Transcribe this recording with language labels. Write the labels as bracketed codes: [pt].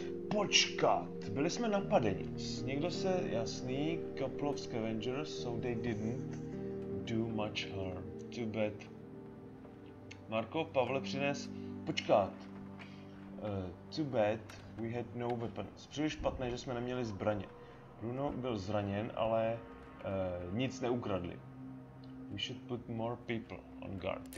[cs] Počkat, byli jsme napadeni. Někdo se, jasný, [en] couple of scavengers, so they didn't do much harm. Too bad. [cs] Marko, Pavle přines... Počkat. [en] Too bad, we had no weapons. [cs] Příliš špatné, že jsme neměli zbraně. Bruno byl zraněn, ale nic neukradli. [en] We should put more people on guard.